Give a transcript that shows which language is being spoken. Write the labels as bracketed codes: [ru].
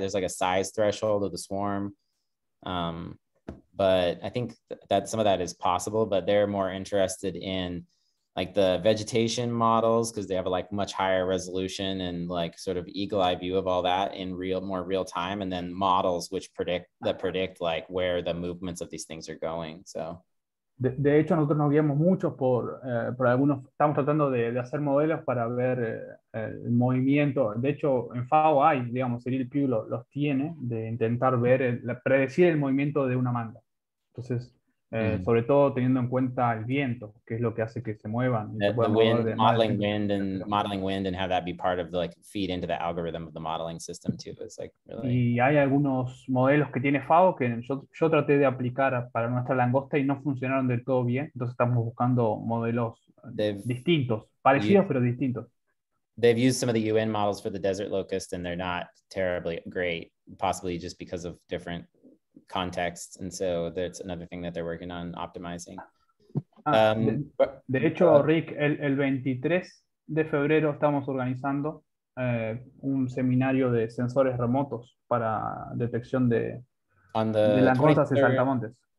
[en] There's like a size threshold of the swarm. But I think that some of that is possible, but they're more interested in like the vegetation models, because they have a like much higher resolution and like sort of eagle eye view of all that in more real time, and then models which predict like where the movements of these things are going. So [es] de hecho nosotros nos guiamos mucho por algunos, estamos tratando de hacer modelos para ver el movimiento. De hecho en FAO hay, digamos, Cyril Pugh los tiene, de intentar ver predecir el movimiento de una manga. Entonces sobre todo teniendo en cuenta el viento, que es lo que hace que se muevan. [en] Modeling wind and have that be part of the, like, feed into the algorithm of the modeling system too. It's like really... [es] Y hay algunos modelos que tiene FAO que yo traté de aplicar para nuestra langosta y no funcionaron del todo bien. Entonces estamos buscando modelos distintos, parecidos pero distintos. [en] They've used some of the UN models for the desert locust and they're not terribly great, possibly just because of different context, and so that's another thing that they're working on optimizing. [es] De hecho, Rick, el 23 de febrero estamos organizando un seminario de sensores remotos para detección de langostas y saltamontes.